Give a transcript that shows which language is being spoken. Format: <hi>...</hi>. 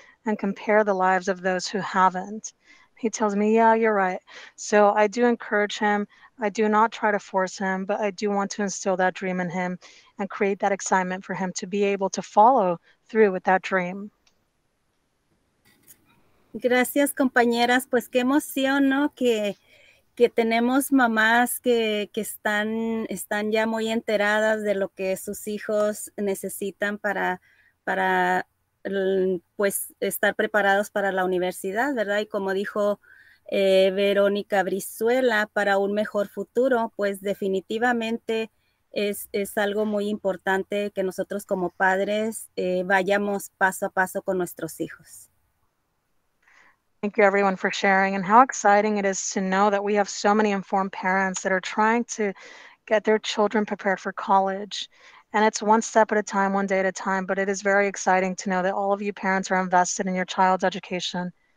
<en>And compare the lives of those who haven't. He tells me, yeah, you're right. So I do encourage him. I do not try to force him, but I do want to instill that dream in him and create that excitement for him to be able to follow through with that dream.</en> <es>Gracias, compañeras. Pues qué emoción, ¿no? Que tenemos mamás que están ya muy enteradas de lo que sus hijos necesitan para pues estar preparados para la universidad, ¿verdad? Y como dijo Verónica Brizuela, para un mejor futuro, pues definitivamente es algo muy importante que nosotros como padres vayamos paso a paso con nuestros hijos.</es> <en>Thank you everyone for sharing, and how exciting it is to know that we have so many informed parents that are trying to get their children prepared for college. And it's one step at a time, one day at a time, but it is very exciting to know that all of you parents are invested in your child's education.</en>